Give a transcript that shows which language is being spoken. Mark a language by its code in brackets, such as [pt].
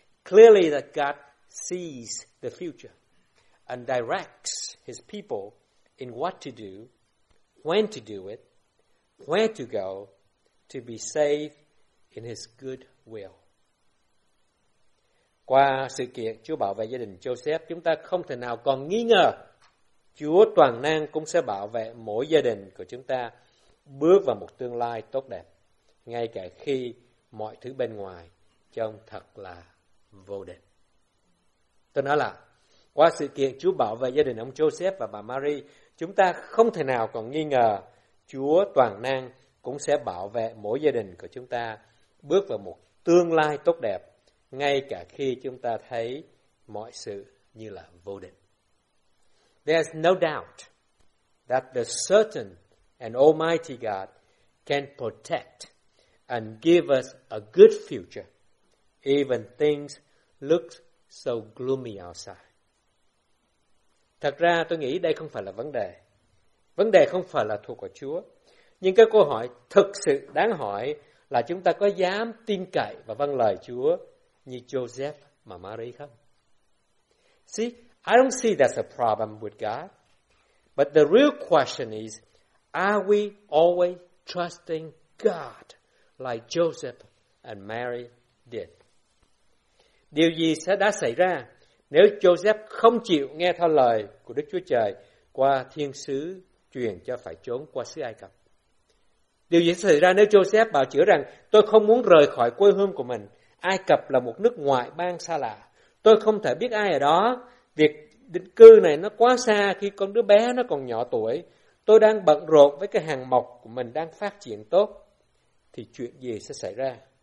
[en] Clearly that God sees the future and directs his people in what to do, when to do it, where to go to be saved in his good will. [vi] Qua sự kiện Chúa bảo vệ gia đình Joseph, chúng ta không thể nào còn nghi ngờ Chúa toàn năng cũng sẽ bảo vệ mỗi gia đình của chúng ta bước vào một tương lai tốt đẹp, ngay cả khi mọi thứ bên ngoài trông thật là vô định. Tôi nói là qua sự kiện Chúa bảo vệ gia đình ông Joseph và bà Mary, chúng ta không thể nào còn nghi ngờ Chúa toàn năng cũng sẽ bảo vệ mỗi gia đình của chúng ta bước vào một tương lai tốt đẹp, ngay cả khi chúng ta thấy mọi sự như là vô định. [en] There's no doubt that the certain and almighty God can protect and give us a good future, even things look so gloomy outside. [vi] Thật ra tôi nghĩ đây không phải là vấn đề. Vấn đề không phải là thuộc của Chúa. Nhưng cái câu hỏi thực sự đáng hỏi là chúng ta có dám tin cậy và vâng lời Chúa như Joseph mà Mary không? [en] See, I don't see that's a problem with God. But the real question is, are we always trusting God like Joseph and Mary did? [vi] Điều gì sẽ đã xảy ra nếu Joseph không chịu nghe theo lời của Đức Chúa Trời qua thiên sứ truyền cho phải trốn qua xứ Ai Cập? Điều gì xảy ra nếu Joseph bảo chữa rằng tôi không muốn rời khỏi quê hương của mình, Ai Cập là một nước ngoại bang xa lạ, tôi không thể biết ai ở đó, việc định cư này nó quá xa khi con đứa bé nó còn nhỏ tuổi, tôi đang bận rộn với cái hàng mộc của mình đang phát triển tốt, thì chuyện gì sẽ xảy ra?